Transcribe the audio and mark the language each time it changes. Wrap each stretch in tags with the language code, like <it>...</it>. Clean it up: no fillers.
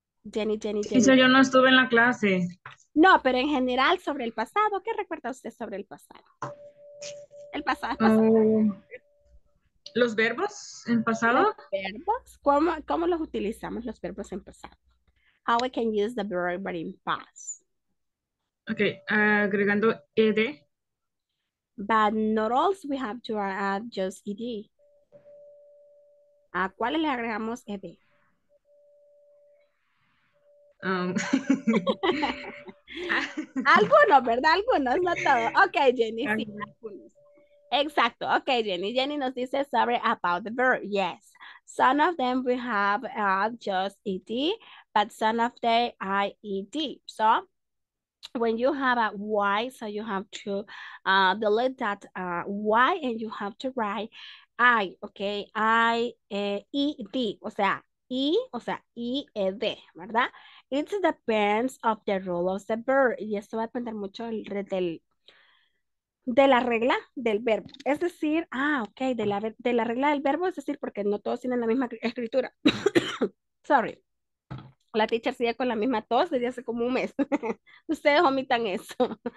<es>Jenny. Yo no estuve en la clase. No, pero en general sobre el pasado. ¿Qué recuerda usted sobre el pasado? El pasado, el pasado. ¿Los verbos en Los pasado? verbos, ¿cómo los utilizamos los verbos en pasado?</es> <en>How we can use the verb in past.</en> <es>Okay, agregando ed.</es> <en>But not always we have to add just ed.</en> <es>¿A cuáles le agregamos ed? Algunos, ¿verdad? Algunos, no todos. Ok, Jenny, sí, algunos. Exacto, ok, Jenny. Jenny nos dice</es> <en>sorry about the verb. Yes, some of them we have just ed, but some of them ied. So when you have a y, so you have to delete that y and you have to write i, okay, i ed,</en> <es>o sea ied, ¿verdad?</es> <en>It depends of the rule of the verb.</en> <es>Y esto va a depender mucho de la regla del verbo. Es decir, ok, de la regla del verbo, es decir, porque no todos tienen la misma escritura. Sorry. La teacher sigue con la misma tos desde hace como un mes. Ustedes omitan eso.</es>